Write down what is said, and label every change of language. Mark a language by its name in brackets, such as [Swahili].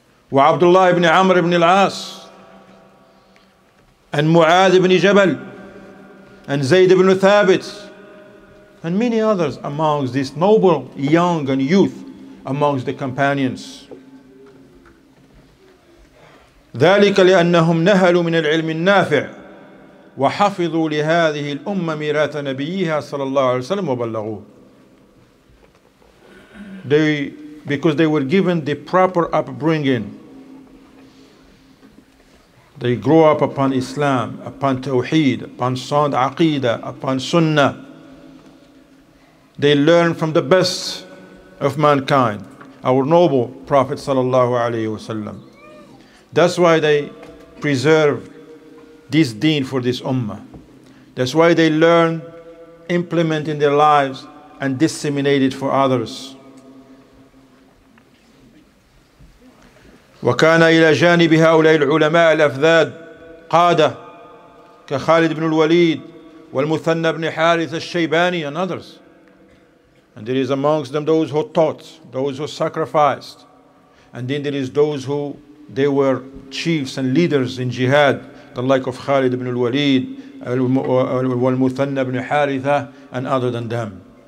[English] Wa Abdullah ibn Amr ibn al-As, and Mu'adh ibn Jabal, and Zayd ibn Thabit, and many others amongst these noble young and youth amongst the companions. [Arabic] ذلك لأنهم نهلوا من العلم النافع وحفظوا لهذه الأمة ميراث نبيها صلى الله عليه وسلم وبلغوه. [English] Because they were given the proper upbringing. They grew up upon Islam, upon Tawheed, upon Sound Aqeedah, upon Sunnah. They learned from the best of mankind, our noble Prophet sallallahu alayhi wa sallam. That's why they preserve this deen for this ummah. That's why they learn, implement in their lives, and disseminate it for others. [Arabic] وكان إلى جانب هؤلاء العلماء الأفذاذ قادة كخالد بن الوليد والمثنى بن حارث الشيباني [English] and others. And there is amongst them those who taught, those who sacrificed. And then there is those who they were chiefs and leaders in jihad, the like of Khalid ibn al-Walid, wal-Muthanna ibn Haritha, and other than them.